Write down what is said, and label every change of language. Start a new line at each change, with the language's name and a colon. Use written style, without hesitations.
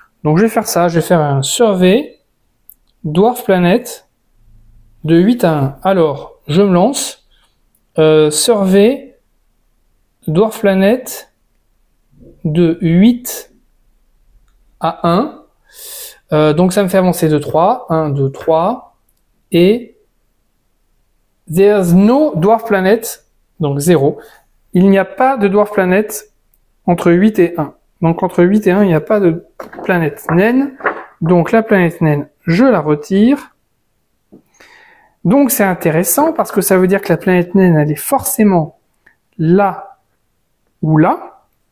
French: Donc, je vais faire ça. Je vais faire un survey. Dwarf planète de 8 à 1. Alors, je me lance. Survey Dwarf planète de 8 à 1. Donc, ça me fait avancer de 3. 1, 2, 3.
English: Et there's no dwarf planet.
French: Donc, 0. Il n'y a pas de dwarf planète entre 8 et 1. Donc, entre 8 et 1, il n'y a pas de planète naine. Donc, la planète naine, je la retire. Donc, c'est intéressant parce que ça veut dire que la planète naine, elle est forcément là ou là.